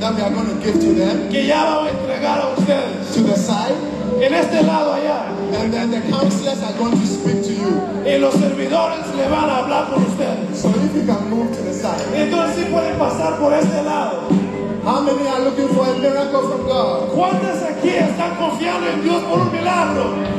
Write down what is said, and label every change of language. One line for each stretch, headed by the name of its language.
English: That we are going to give to them.
Spanish: Que ya vamos a entregar a ustedes.
English: To the side.
Spanish: En este lado allá.
English: And then the counselors are going to speak to you.
Spanish: Y los servidores le van a hablar con ustedes.
English: So if you can move to the side.
Spanish: Entonces sí pueden pasar por este lado.
English: How many are looking for a miracle from God?
Spanish: ¿Cuántos aquí están confiando en Dios por un milagro?